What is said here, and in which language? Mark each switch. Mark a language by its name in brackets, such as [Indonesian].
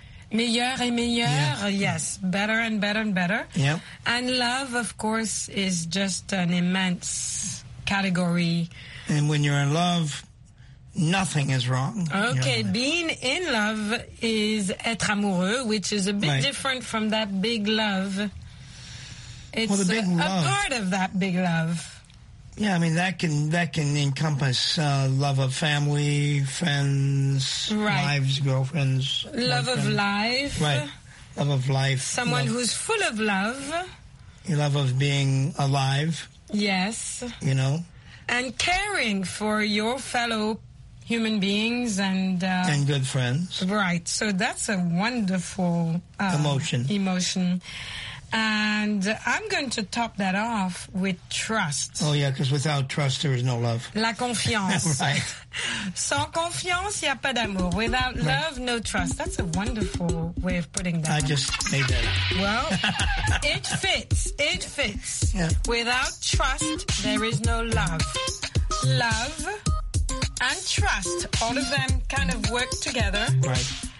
[French] Meilleur et meilleur, yes. [English] Better and better and better. Yep. And love, of course, is just an immense category. And when you're in love, nothing is wrong. Okay, being in love is [French] être amoureux, [English] which is a bit different from that big love. It's a part of that big love. Yeah, I mean, that can encompass love of family, friends, wives, girlfriends. Love of life. Right. Love of life. Someone who's full of love. Your love of being alive. Yes. You know. And caring for your fellow human beings and... and good friends. Right. So that's a wonderful... emotion. Emotion. And I'm going to top that off with trust. Oh, yeah, because without trust, there is no love. [French] La confiance. [English] Right. [French] Sans confiance, il n'y a pas d'amour. [English] Without love, no trust. That's a wonderful way of putting that. I just made that up. Well, it fits. It fits. Yeah. Without trust, there is no love. Love and trust, all of them kind of work together. Right.